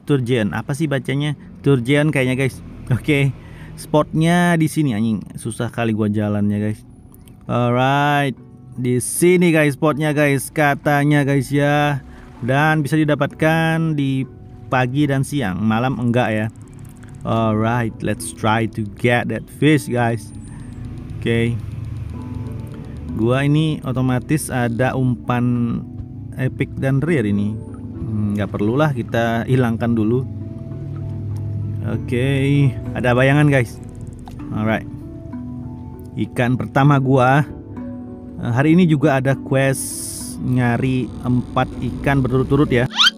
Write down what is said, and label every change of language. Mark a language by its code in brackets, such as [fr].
[id] Sturgeon, apa sih bacanya? Sturgeon kayaknya guys. Oke. Spotnya di sini anjing, susah kali gua jalannya guys. Alright, di sini guys spotnya guys, katanya guys ya. Dan bisa didapatkan di pagi dan siang, malam enggak ya. [en] Alright, let's try to get that fish guys. Okay. [id] Gua ini otomatis ada umpan epic dan rare ini. Enggak perlulah kita hilangkan dulu. Okay, ada bayangan guys. Alright, ikan pertama gua hari ini juga ada quest nyari 4 ikan berturut-turut ya.